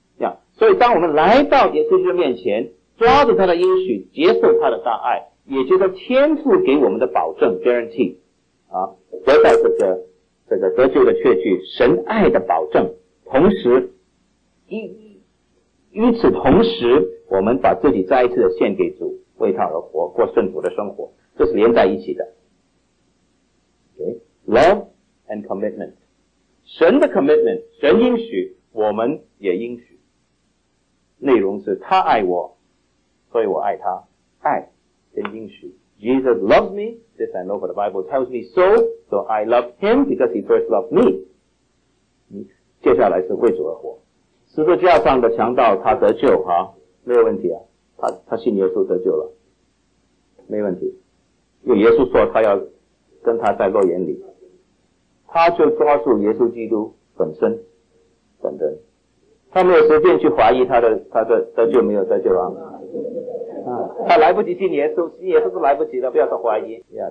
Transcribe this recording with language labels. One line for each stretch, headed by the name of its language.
Chinese: 这样，所以当我们来到耶稣基督面前，抓住他的应许，接受他的大爱，也就是天父给我们的保证 guarantee 啊，得到这个得救的确据，神爱的保证，同时与此同时，我们把自己再一次的献给主，为他而活，过圣徒的生活，这是连在一起的。Okay?
English: Love and commitment，
Chinese: 神的 commitment， 神应许，我们也应许。内容是他爱我，所以我爱他，爱跟应许。
English: Jesus loves me, this I know, but the Bible tells me so. So I love him because he first loved me.
Chinese: 接下来是为主而活。十字架上的强盗他得救啊，没有问题啊，他信耶稣得救了，没问题，因为耶稣说他要跟他在乐园里，他就抓住耶稣基督本身本人，他没有随便去怀疑他的得救没有得救 啊，他来不及信耶稣，信耶稣是来不及的，不要说怀疑